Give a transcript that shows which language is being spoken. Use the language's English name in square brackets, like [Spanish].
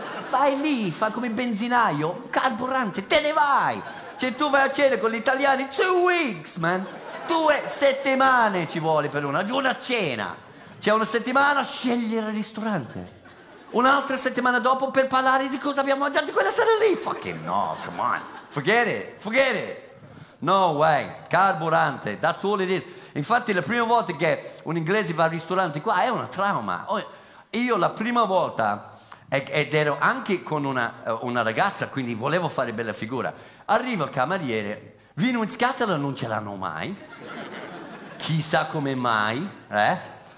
[Italian] Vai lì, fa come benzinaio, carburante, te ne vai. Cioè tu vai a cena con gli italiani, [English] 2 weeks, man. [Italian] 2 settimane ci vuole per una cena. Cioè una settimana scegliere il ristorante. Un'altra settimana dopo per parlare di cosa abbiamo mangiato quella sera lì. [English] Fucking no, come on. Forget it. No way, carburante, that's all it is. [Italian] Infatti la prima volta che un inglese va al ristorante qua è un trauma. Io la prima volta Ed ero anche con una ragazza, quindi volevo fare bella figura. Arriva il cameriere, vino in scatola non ce l'hanno mai, chissà come mai, eh?